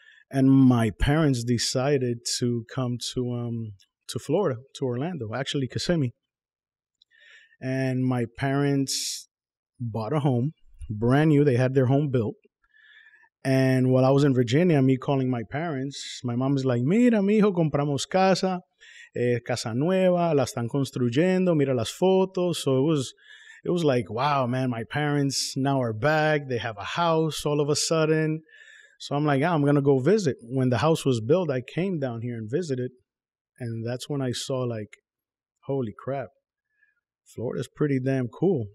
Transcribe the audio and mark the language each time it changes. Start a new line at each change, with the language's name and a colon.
English: And my parents decided to come to Florida, to Orlando, actually Kissimmee. And my parents bought a home, brand new. They had their home built. And while I was in Virginia, me calling my parents, my mom was like,
Spanish: mira, mijo, compramos casa. Casa Nueva, la están construyendo, mira las fotos.
English: So it was like, wow, man, my parents now are back. They have a house all of a sudden. So I'm like, yeah, I'm going to go visit. When the house was built, I came down here and visited. And that's when I saw, like, holy crap, Florida's pretty damn cool.